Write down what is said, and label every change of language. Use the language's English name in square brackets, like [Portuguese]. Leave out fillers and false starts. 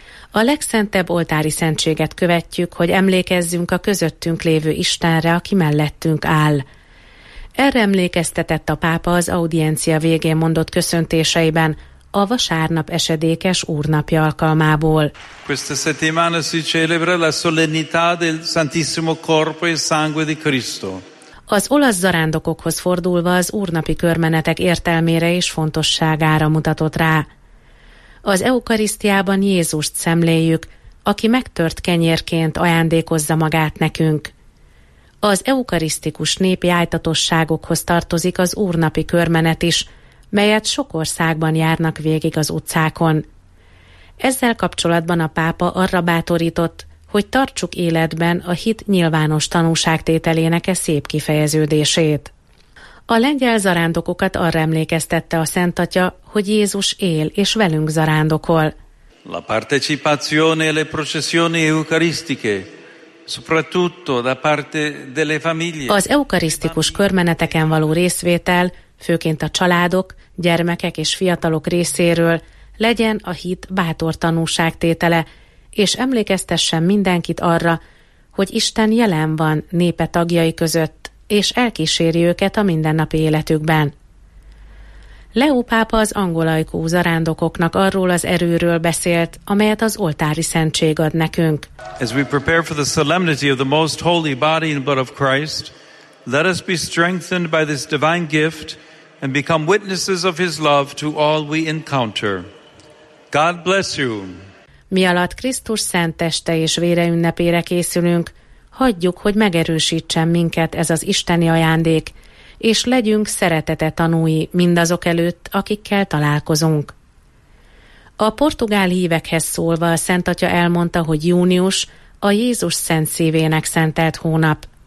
[Hungarian] A legszentebb oltári szentséget követjük, hogy emlékezzünk a közöttünk lévő Istenre, aki mellettünk áll. Erre emlékeztetett a pápa az audiencia végén mondott köszöntéseiben, a vasárnap esedékes úrnapja alkalmából. [Italian] Questa settimana si celebra la solennità del Santissimo Corpo e Sangue di Cristo. [Hungarian] Az olasz zarándokokhoz fordulva az úrnapi körmenetek értelmére és fontosságára mutatott rá. Az eukarisztiában Jézust szemléljük, aki megtört kenyérként ajándékozza magát nekünk. Az eukarisztikus népi ájtatosságokhoz tartozik az úrnapi körmenet is, melyet sok országban járnak végig az utcákon. Ezzel kapcsolatban a pápa arra bátorított, hogy tartsuk életben a hit nyilvános tanúságtételének-e szép kifejeződését. A lengyel zarándokokat arra emlékeztette a Szent Atya, hogy Jézus él és velünk zarándokol. [Italian] La partecipazione alle processioni eucaristiche. Soprattutto da parte delle famiglie. [Hungarian] Az eukarisztikus körmeneteken való részvétel, főként a családok, gyermekek és fiatalok részéről legyen a hit bátor tanúságtétele, és emlékeztessen mindenkit arra, hogy Isten jelen van népe tagjai között, és elkíséri őket a mindennapi életükben. Leó pápa az angolajkú zarándokoknak arról az erőről beszélt, amelyet az oltári szentség ad nekünk. [English] As we prepare for the solemnity of the most holy body and blood of Christ, let us be strengthened by this divine gift and become witnesses of his love to all we encounter. God bless you! [Hungarian] Mialatt Krisztus szent teste és vére ünnepére készülünk, hagyjuk, hogy megerősítsen minket ez az isteni ajándék, és legyünk szeretete tanúi mindazok előtt, akikkel találkozunk. A portugál hívekhez szólva a Szent Atya elmondta, hogy június a Jézus szent szívének szentelt hónap.